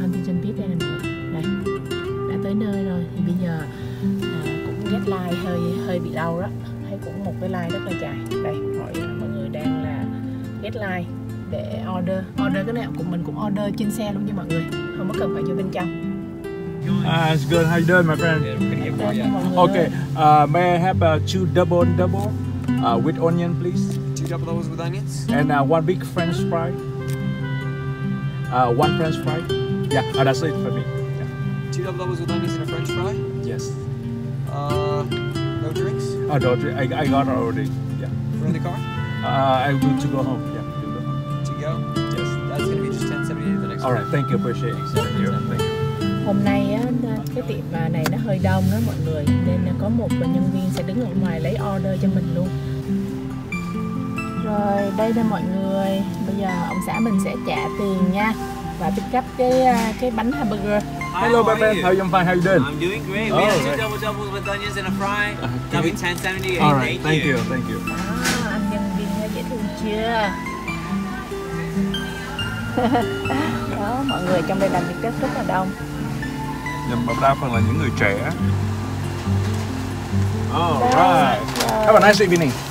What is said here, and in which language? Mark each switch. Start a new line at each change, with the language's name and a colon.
Vietnamese: Huntington Beach đây nè mọi người. Đây. Đã tới nơi rồi thì bây giờ cũng
English: get line
Vietnamese: hơi bị lâu đó. Thấy cũng một cái line rất là dài. Đây, mọi người đang là
English: get line
Vietnamese: để order. Order cái này cũng mình cũng order trên xe luôn nha mọi người. Không có cần phải vô bên trong.
English: It's good. How you doing, my friend? Okay. May I have two double with onion, please? Two double doubles with onions. And one big French fry. One French fry. Yeah, that's it for me. Yeah. Two double doubles with onions and a French fry. Yes. No drinks. No drink. I got already. Yeah. We're in the car. I will to go home. Yeah. To go. Yes. That's gonna be just $10.70 the next. All right. Thank you. Appreciate it. Thank you. Thank you.
Vietnamese: Hôm nay á, cái tiệm này nó hơi đông đó mọi người, nên có một nhân viên sẽ đứng ở ngoài lấy order cho mình luôn. Rồi đây nè mọi người, bây giờ ông xã mình sẽ trả tiền nha và
English: pick up
Vietnamese: cái bánh hamburger.
English: Hi, hello my friend, how are you? I'm fine, how are you doing? I'm doing great. We have two double with onions and a fry. That'll be $10.70. All right, thank you.
Vietnamese: Anh nhân viên nghe dễ thương chưa? Đó, mọi người trong đây làm việc rất là đông. Nhưng mà đa phần là những người trẻ.
English: Alright. Have a nice evening.